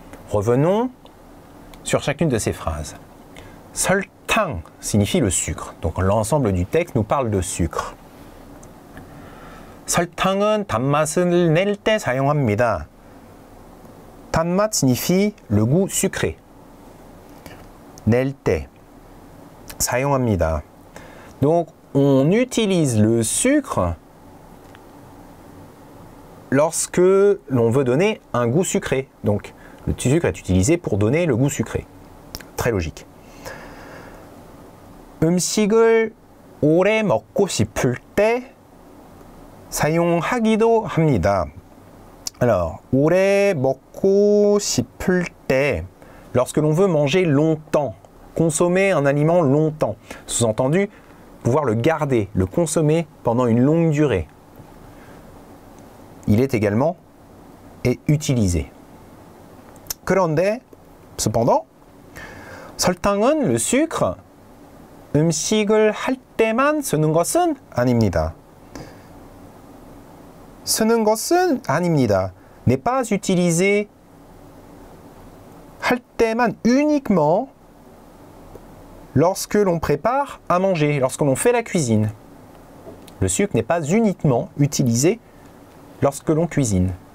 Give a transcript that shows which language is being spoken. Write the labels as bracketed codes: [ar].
[fr] Revenons sur chacune de ces phrases. 설탕 signifie le sucre. Donc l'ensemble du texte nous parle de sucre. [ko] 설탕은 단맛을 낼 때 사용합니다. [fr] 단맛 signifie le goût sucré. [ko] 낼 때 사용합니다. [fr] Donc on utilise le sucre lorsque l'on veut donner un goût sucré. Donc, le sucre est utilisé pour donner le goût sucré. Très logique. [ko] 음식을 오래 먹고 싶을 때 사용하기도 합니다. [fr] Alors, [ko] 오래 먹고 싶을 때, [fr] lorsque l'on veut manger longtemps, consommer un aliment longtemps. Sous-entendu, pouvoir le garder, le consommer pendant une longue durée. Il est également et utilisé. [ko] 그런데, [fr] cependant, [ko] 설탕은 [fr] le sucre [ko] 음식을 할 때만 쓰는 것은 아닙니다. 쓰는 것은 아닙니다. [fr] N'est pas utilisé [ko] 할 때만 [fr] uniquement lorsque l'on prépare à manger, lorsque l'on fait la cuisine. Le sucre n'est pas uniquement utilisé lorsque l'on cuisine.